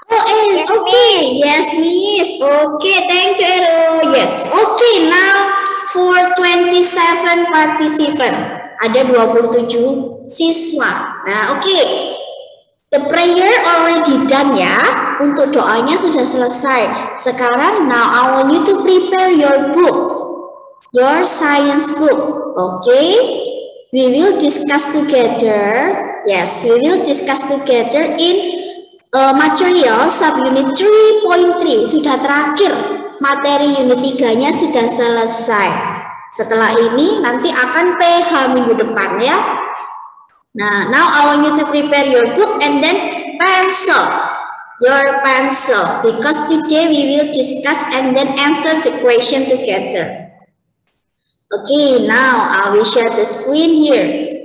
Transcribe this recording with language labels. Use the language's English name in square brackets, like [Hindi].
[English] Oh, eh. Yes, okay. Miss. Yes, Miss. Okay. Thank you, Ero. Yes. Okay. Now for 27 participants. [Indonesian] Ada 27 siswa. Nah, oke. Okay. [English] The prayer already done ya. [Indonesian] Untuk doanya sudah selesai. Sekarang, [English] now I want you to prepare your book. Your science book. Oke. Okay. We will discuss together. Yes, we will discuss together in material subunit 3.3. [Indonesian] Sudah terakhir. Materi unit 3-nya sudah selesai. Setelah ini nanti akan PH minggu depan ya. [English] Nah, now I want you to prepare your book and then pencil. Your pencil. Because today we will discuss and then answer the question together. Okay, now I will share the screen here.